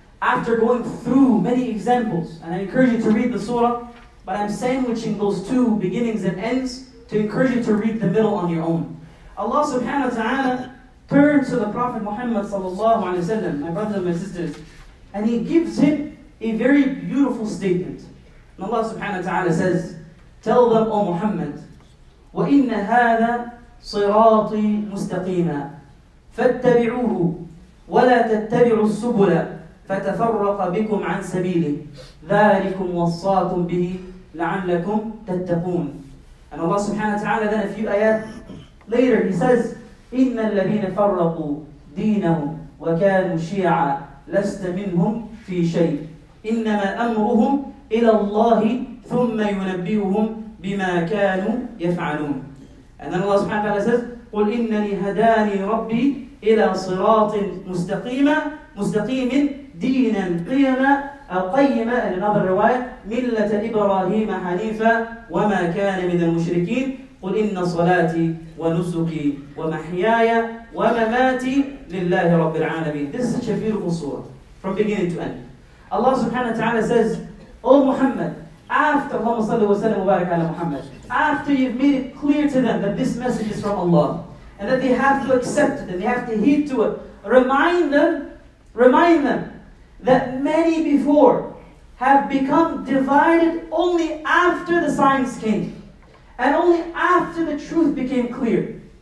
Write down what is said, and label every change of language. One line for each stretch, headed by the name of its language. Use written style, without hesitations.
English: after going through many examples, and I encourage you to read the surah, but I'm sandwiching those two beginnings and ends to encourage you to read the middle on your own. Allah subhanahu wa ta'ala turns to the Prophet Muhammad sallallahu alayhi wa sallam, my brothers and my sisters, and he gives him a very beautiful statement. And Allah subhanahu wa ta'ala says, tell them, O Muhammad,
Arabic: وَإِنَّ هَذَا صِرَاطِي مُسْتَقِيمًا فَاتَّبِعُوهُ وَلَا تَتَّبِعُوا السُّبُلَ فَتَفَرَّقَ بِكُمْ عَنْ سَبِيلِهِ ذَلِكُمْ وَصَّاكُمْ بِهِ لَعَلَّكُمْ تَتَّقُونَ.
English: And Allah subhanahu wa ta'ala then a few ayat later, he says,
Arabic: إِنَّ الَّذِينَ فَرَّقُوا دِينَهُمْ وَكَانُوا شِيَعًا لَسْتَ مِنْهُمْ فِي شَيْءٍ إِنَّمَا أَمْرُهُمْ إِلَى اللَّهِ ثُمَّ يُنَبِّئُهُمْ بِمَا كَانُوا يَفْعَلُونَ.
English: And then Allah subhanahu wa ta'ala says,
Arabic: قُلْ إِنَّنِي هَدَانِي رَبِّي إِلَى صِرَاطٍ مُسْتَقِيمٍ دِينًا قَيِّمًا
English: in another riwayah,
Arabic: مِلَّةَ إِبْرَاهِيمَ حَنِيفًا وَمَا كَانَ مِنَ الْمُشْرِكِينَ قُلْ إِنَّ صَلَاتِي وَنُسُكِي وَمَحْيَايَ وَمَمَاتِي لِلَّهِ رَبِّ الْعَالَمِينَ.
English: This is such a beautiful surah from beginning to end. Allah subhanahu wa ta'ala says, O Muhammad, after Allahumma salli wa sallam wa barak ala Muhammad, after you've made it clear to them that this message is from Allah and that they have to accept it and they have to heed to it, remind them that many before have become divided only after the signs came and only after the truth became clear.